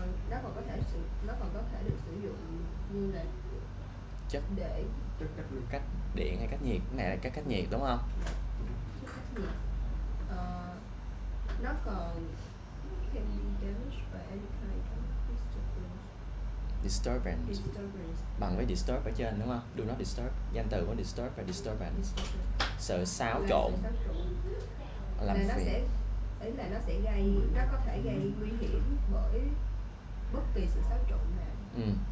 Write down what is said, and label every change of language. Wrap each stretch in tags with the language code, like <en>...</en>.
<vi>Nó còn có thể được sử dụng như là để cách điện hay cách nhiệt, cái này là cách nhiệt đúng không? Cách nhiệt. Nó còn</vi> <en>can be damaged by any kind of disturbance. Disturbance. Disturbance.</en> <vi>Bằng với disturb ở trên đúng không?</vi> <en>Do not disturb.</en> <vi>Danh từ của disturb và disturbance.</vi> <en>Disturbance.</en> <vi>Sự xáo trộn. Làm là phiền. Nó sẽ, ý là nó sẽ gây, nó có thể gây nguy hiểm bởi bất kỳ sự xáo trộn nào. Ừ.</vi>